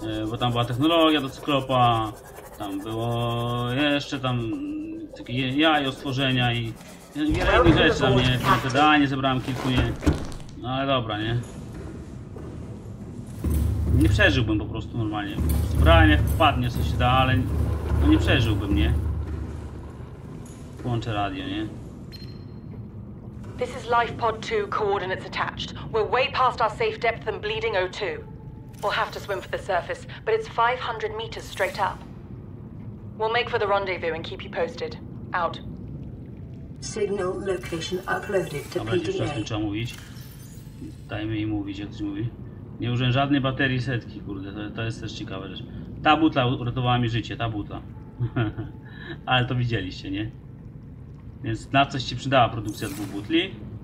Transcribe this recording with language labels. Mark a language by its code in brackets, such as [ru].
[pl] bo tam była technologia do cyklopa, tam było jeszcze tam takie jajo stworzenia i wiele innych rzeczy tam, nie? Te danie zebrałem kilku, nie? No ale dobra, nie? Nie przeżyłbym po prostu normalnie. Zbrałem jak wpadnie, co się da, ale no nie przeżyłbym, nie? Włączę radio, nie? [en] This is Life Pod 2, coordinates attached. We're way past our safe depth and bleeding O2. We'll have to swim for the surface, but it's 500 meters straight up. We'll make for the rendezvous and keep you posted. Out. Signal location uploaded to PDA. [pl] Dobra, jeszcze trzeba mówić. Dajmy jej mówić, jak coś mówi. Nie użyłem żadnej baterii setki, kurde, to jest też ciekawa rzecz. Ta butla uratowała mi życie, ta butla. Ale to widzieliście, nie? Więc na coś się przydała produkcja dwóch butli.